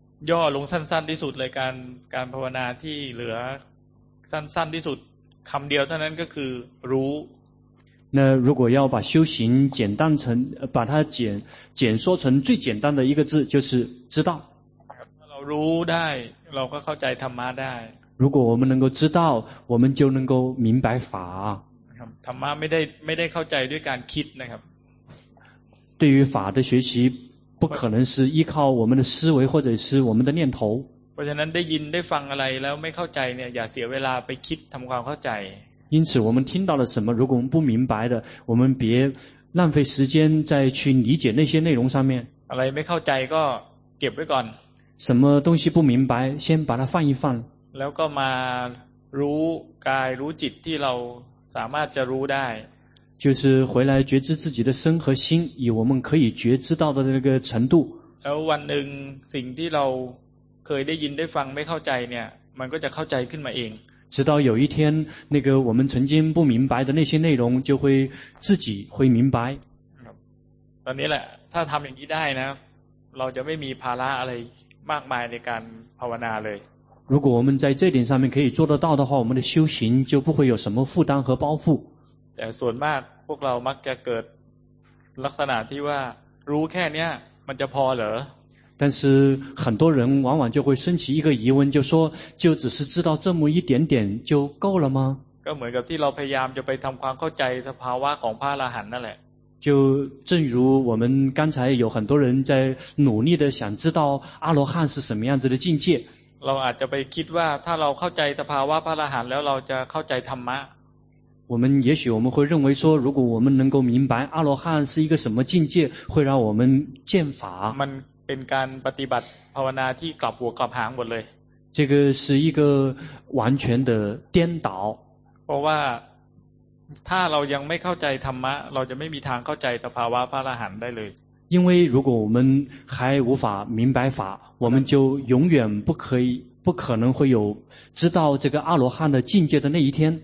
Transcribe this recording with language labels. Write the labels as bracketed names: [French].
[Thai] ย่อลงสั้นๆที่สุดเลยการภาวนาที่เหลือสั้นๆที่สุดคำเดียวเท่านั้นก็คือรู้ [Chinese] 那如果要把修行简单成把它简说成最简单的一个字就是知道 [Thai] เรารู้ได้เราก็เข้าใจธรรมะได้ [Chinese] 如果我们能够知道我们就能够明白法 [Thai] ธรรมะไม่ได้เข้าใจด้วยการคิดนะครับ [Chinese] 对于法的学习不可能是依靠我们的思维或者是我们的念头 [Thai] เพราะฉะนั้นได้ยินได้ฟังอะไรแล้วไม่เข้าใจเนี่ยอย่าเสียเวลาไปคิดทำความเข้าใจ [Chinese] 因此我们听到了什么如果我们不明白的我们别浪费时间再去理解那些内容上面 [Thai] อะไรไม่เข้าใจก็เก็บไว้ก่อน [Chinese] 什么东西不明白先把它放一放 [Thai] แล้วก็มารู้กายรู้จิตที่เราสามารถจะรู้ได้ [Chinese] 就是回来觉知自己的身和心以我们可以觉知到的那个程度 [Thai] แล้ววันหนึ่งสิ่งที่เราเคยได้ยินได้ฟังไม่เข้าใจเนี่ยมันก็จะเข้าใจขึ้นมาเอง [Chinese] 直到有一天那个我们曾经不明白的那些内容就会自己会明白 [Thai] ตอนนี้แหละถ้าทำอย่างนี้ได้นะเราจะไม่มีภาระอะไรมากมายในการภาวนาเลย [Chinese] 如果我们在这点上面可以做得到的话我们的修行就不会有什么负担和包袱 [Thai] แต่ส่วนมากพวกเรามักจะเกิดลักษณะที่ว่ารู้แค่นี้มันจะพอเหรอ [Chinese] 但是很多人往往就会升起一个疑问就说就只是知道这么一点点就够了吗 [Thai] ก็เหมือนกับที่เราพยายามจะไปทำความเข้าใจสภาวะของพระอรหันต์นั่นแหละ [Chinese] 就正如我们刚才有很多人在努力的想知道阿罗汉是什么样子的境界 [Thai] เราอาจจะไปคิดว่าถ้าเราเข้าใจสภาวะพระอรหันต์แล้วเราจะเข้าใจธรรมะ [Chinese] 我们也许我们会认为说如果我们能够明白阿罗汉是一个什么境界会让我们见法 [Thai] มันเป็นการปฏิบัติภาวนาที่กลับหัวกลับหางหมดเลย [Chinese] 这个是一个完全的颠倒 [Thai] เพราะว่าถ้าเรายังไม่เข้าใจธรรมะเราจะไม่มีทางเข้าใจสภาวะพระอรหันต์ได้เลย [Chinese] 因为如果我们还无法明白法我们就永远不可能会有知道这个阿罗汉的境界的那一天